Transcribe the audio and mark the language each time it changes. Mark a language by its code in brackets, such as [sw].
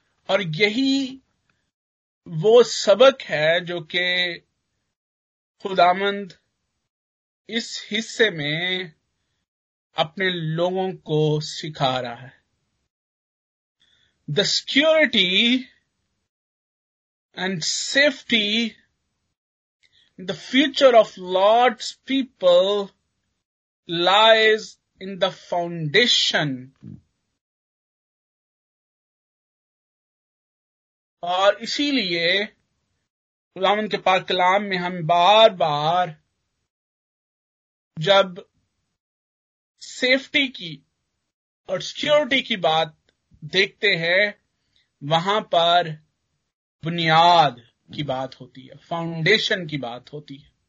[ur] اور یہی وہ سبق ہے جو کہ خداوند اس حصے میں اپنے لوگوں کو سکھا رہا ہے. [en] The security and safety in the future of Lord's people lies in the foundation. [ur] اور اسی لیے خداوند کے پاک کلام میں ہم بار بار جب سیفٹی کی اور سیکیورٹی کی بات دیکھتے ہیں, وہاں پر بنیاد کی بات ہوتی ہے, فاؤنڈیشن کی بات ہوتی ہے.